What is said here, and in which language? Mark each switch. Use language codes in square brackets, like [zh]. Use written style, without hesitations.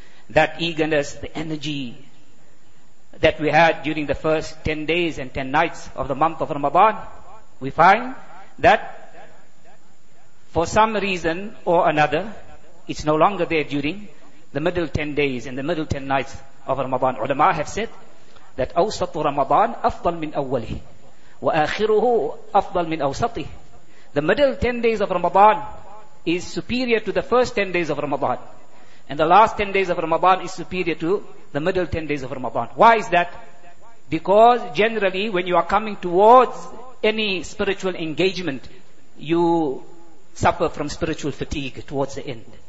[en] That eagerness, the energy that we had during the first 10 days and 10 nights of the month of Ramadan, we find that for some reason or another, it's no longer there during the middle 10 days and the middle 10 nights of Ramadan. Ulama have said that [ar] أَوْسَطُ رَمَضَانِ أَفْضَلْ مِنْ أَوَّلِهِ وَآخِرُهُ أَفْضَلْ مِنْ أَوْسَطِهِ. [en] The middle 10 days of Ramadan is superior to the first 10 days of Ramadan. And the last 10 days of Ramadan is superior to the middle 10 days of Ramadan. Why is that? Because generally when you are coming towards any spiritual engagement, you suffer from spiritual fatigue towards the end.